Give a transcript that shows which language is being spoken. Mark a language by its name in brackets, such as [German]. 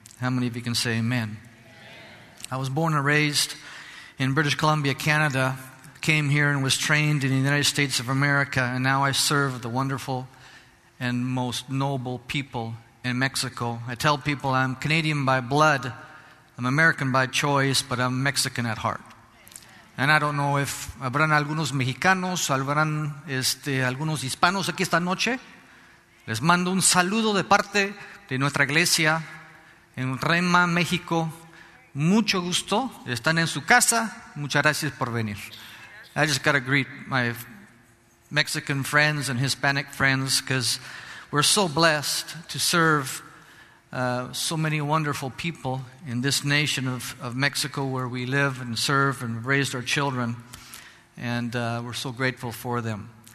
[English] How many of you can say amen? Amen. I was born and raised in British Columbia, Canada, came here and was trained in the United States of America, and now I serve the wonderful and most noble people in Mexico. I tell people I'm Canadian by blood, I'm American by choice, but I'm Mexican at heart. And I don't know if [Spanish] habrán algunos mexicanos, habrán algunos hispanos aquí esta noche. Les mando un saludo de parte de nuestra iglesia en Rhema, México. Mucho gusto. Están en su casa. Muchas gracias por venir. [English] I just got to greet my Mexican friends and Hispanic friends because we're so blessed to serve so many wonderful people in this nation of Mexico where we live and serve and raised our children, and we're so grateful for them.